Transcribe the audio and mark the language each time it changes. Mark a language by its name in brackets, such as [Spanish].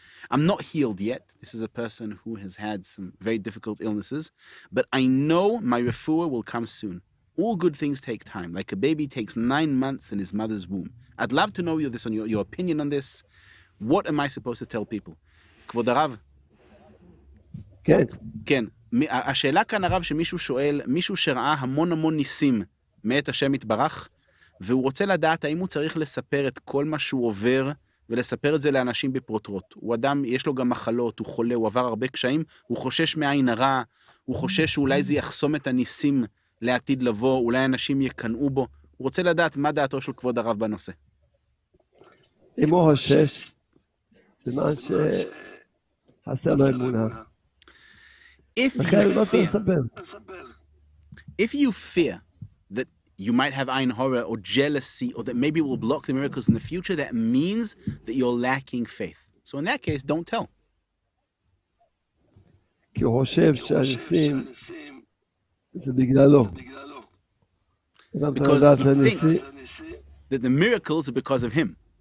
[English] I'm not healed yet. This is a person who has had some very difficult illnesses, but I know my refuah will come soon. All good things take time, like a baby takes 9 months in his mother's womb. I'd love to know your opinion on this. What am I supposed to tell people? Kvod Rav. Good. [Hebrew] Ken, השאלה כאן הרב שמישהו שואל, מישהו שראה המון המון ניסים מעת השם יתברך, והוא רוצה לדעת האם הוא צריך לספר את כל מה שהוא עובר, ולספר את זה לאנשים בפרוטרוט. הוא אדם, יש לו גם מחלות, הוא חולה, הוא עבר הרבה קשיים, הוא חושש מעין הרע, הוא חושש שאולי זה יחסום את הניסים לעתיד לבוא, אולי אנשים יקנעו בו. הוא רוצה לדעת מה דעתו של כבוד הרב בנושא. אם הוא חושש, סימן שחסר לו אמונה. [English] If you fear that you might have ayin hara or jealousy or that maybe it will block the miracles in the future, that means that you're lacking faith. So in that case, don't tell. Because he thinks that the miracles are because of him.